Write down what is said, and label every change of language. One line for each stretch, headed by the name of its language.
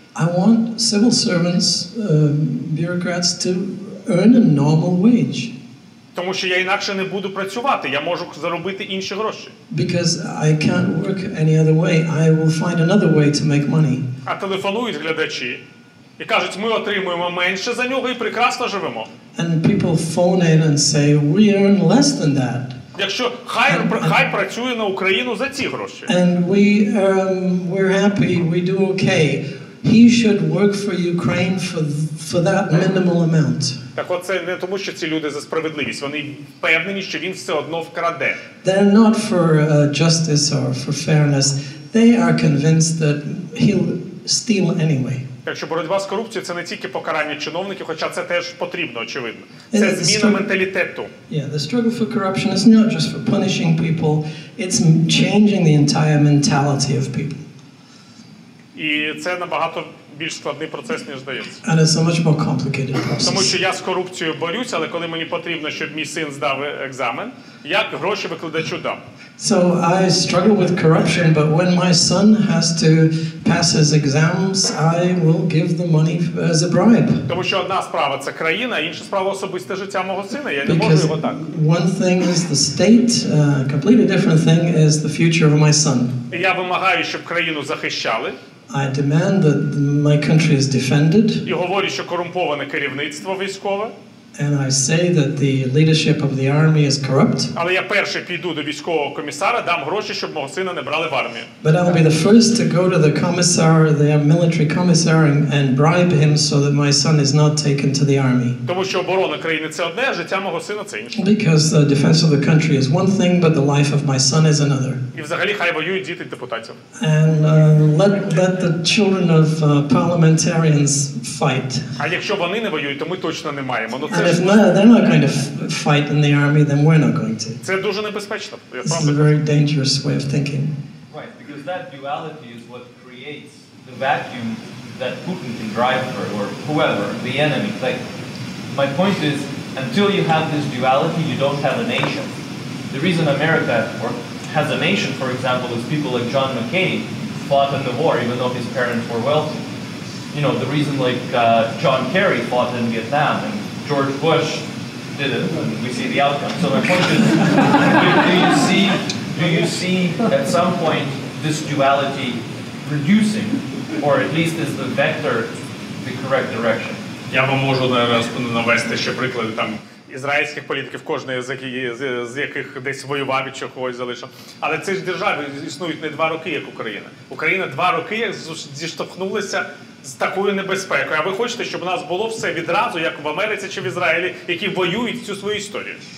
English: I want civil servants, bureaucrats, to earn a normal wage.
Ukrainian: Тому що я інакше не буду працювати, я можу заробити інші гроші.
English: Because I can't work any other way, I will find another way to make money.
Ukrainian: А телефонують глядачі і кажуть, ми отримуємо менше за нього і прекрасно живемо.
English: And people phone in and say, we earn less than that.
Ukrainian: Якщо хай працює на Україну за ці гроші.
English: And we're happy, we do okay. He should work for Ukraine for that minimal amount.
Ukrainian: Так от це не тому, що ці люди за справедливість, вони впевнені, що він все одно вкраде.
English: They're not for justice or for fairness. They are convinced that he'll steal anyway.
Ukrainian: Так що боротьба з корупцією це не тільки покарання чиновників, хоча це теж потрібно, очевидно. Це зміна менталітету.
English: Yeah, the struggle for corruption is not just for punishing people, it's changing the entire mentality of people.
Ukrainian: І це набагато більш складний процес, ніж здається.
English: And it's a much more complicated process.
Ukrainian: Тому що я з корупцією борюся, але коли мені потрібно, щоб мій син здав екзамен, я гроші викладачу дам.
English: So I struggle with corruption, but when my son has to pass his exams, I will give the money as a bribe.
Ukrainian: Тому що одна справа – це країна, а інша справа – особисте життя мого сина. Я не можу його так.
English: One thing is the state, a completely different thing is the future of my son.
Ukrainian: Я вимагаю, щоб країну захищали.
English: I demand that my country is defended.
Ukrainian: І говорю, що корумповане керівництво військове.
English: And I say that the leadership of the army is corrupt.
Ukrainian: Але я перший піду до військового комісара, дам гроші, щоб мого сина не брали в армію.
English: But I'll be the first to go to the commissar, the military commissar, and bribe him so that my son is not taken to the army.
Ukrainian: Тому що оборона країни це одне, а життя мого сина це інше.
English: Because the defense of the country is one thing, but the life of my son is another.
Ukrainian: І взагалі хай воюють діти депутатів.
English: And let the children of parliamentarians fight.
Ukrainian: А якщо вони не воюють, то ми точно не маємо.
English: And if they're not going to fight in the army, then we're not going to.
Ukrainian: Це дуже небезпечно.
English: This is a very dangerous way of thinking. Right, because that duality is what creates the vacuum that Putin can drive for, or whoever, the enemy. Like, my point is, until you have this duality, you don't have a nation. The reason America has a nation, for example, is people like John McCain fought in the war, even though his parents were wealthy. You know, the reason like John Kerry fought in Vietnam, and George Bush did it, and we see the outcome. So my point is, do you see at some point this duality reducing, or at least is the vector the correct direction?
Ukrainian: Я вам можу зараз навести ще приклади там ізраїльських політиків, кожен з яких десь воював і чи когось залишив. Але ці ж держави існують не два роки, як Україна. Україна два роки зіштовхнулася з такою небезпекою. А ви хочете, щоб у нас було все відразу, як в Америці чи в Ізраїлі, які воюють цю свою історію?